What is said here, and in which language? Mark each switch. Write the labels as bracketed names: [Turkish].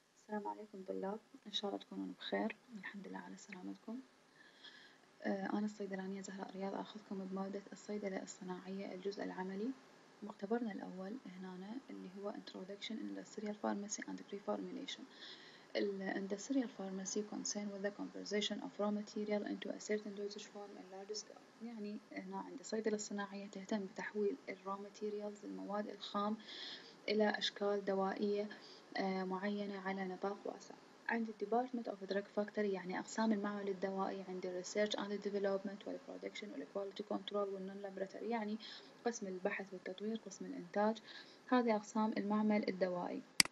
[Arabic] السلام عليكم طلاب، إن شاء الله تكونون بخير. الحمد لله على سلامتكم. أنا الصيدلانية زهراء رياض، أخذكم بمادة الصيدلة الصناعية الجزء العملي مختبرنا الأول هنا، اللي هو [English] Introduction in Industrial Pharmacy and Pre-Formulation. Industrial Pharmacy concern with the conversion of raw material into a certain dosage form and large scale. [Arabic] يعني هنا عند الصيدلة الصناعية تهتم بتحويل الraw materials، المواد الخام، إلى أشكال دوائية معينة على نطاق واسع. عند Department of Drug Factory يعني أقسام المعمل الدوائي، عند Research and Development والProduction والQuality Control والNon-Laboratory يعني قسم البحث والتطوير، قسم الإنتاج، هذه أقسام المعمل الدوائي.